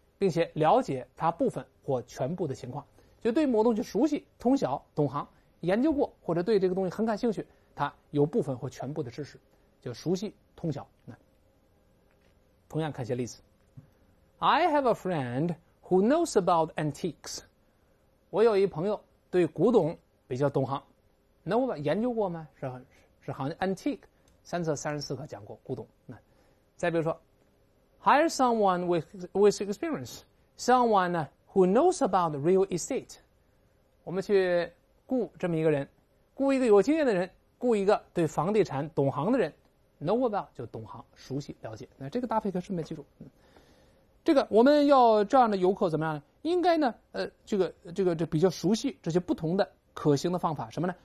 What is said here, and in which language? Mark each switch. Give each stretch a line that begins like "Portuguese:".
Chinese: 并且了解它部分或全部的情况，就对某东西熟悉、通晓、懂行、研究过或者对这个东西很感兴趣，它有部分或全部的知识，就熟悉、通晓。同样看些例子
English: ，I have a friend who knows about antiques。
Chinese: 我有一朋友对古董比较懂行，那我研究过吗？是行 antique 三册34课讲过古董。那再比如说。
English: Hire someone with experience, someone who knows about real estate.
Chinese: 我们去雇这么一个人，雇一个有经验的人，雇一个对房地产懂行的人。 Know about 就懂行，熟悉了解。那这个搭配可顺便记住。这个我们要这样的游客怎么样呢？应该呢，这比较熟悉这些不同的可行的方法，什么呢？